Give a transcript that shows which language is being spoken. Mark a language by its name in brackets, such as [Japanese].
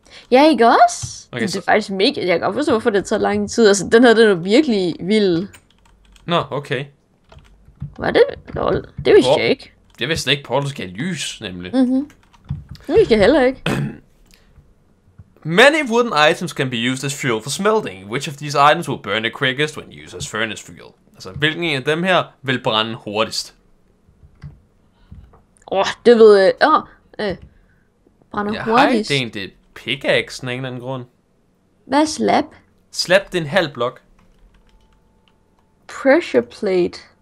[Danish] Ja, ikke også? Okay, det er faktisk mega. Jeg kan godt forstå, hvorfor det tager lang tid. Altså, den her, den er virkelig vild. Nå, okay. Hvad er det? Lol. Det vidste jeg ikke. Det vidste jeg ikke. Portal skal have lys, nemlig. Mhm. Det vidste jeg heller ikke. [English] Many wooden items can be used as fuel for smelting. Which of these items will burn the quickest when used as furnace fuel? [Danish] Altså, hvilken en af dem her vil brænde hurtigst? Det ved jeg. Brænder jeg hurtigst. Jeg har ikke det. Pickaxe, af en eller anden grund. Hvad er slap? Slap, det er en halv blok. Pressure plate.